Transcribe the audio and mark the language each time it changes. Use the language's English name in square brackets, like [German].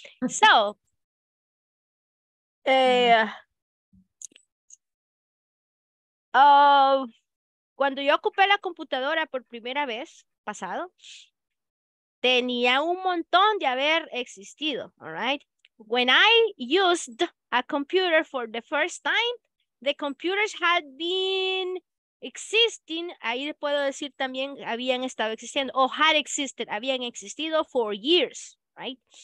[Spanish] So, cuando yo ocupé la computadora por primera vez, pasado, tenía un montón de haber existido. [English] All right. When I used a computer for the first time, the computers had been existing. [Spanish] Ahí puedo decir también habían estado existiendo o [English] had existed, [Spanish] habían existido [English] for years, right?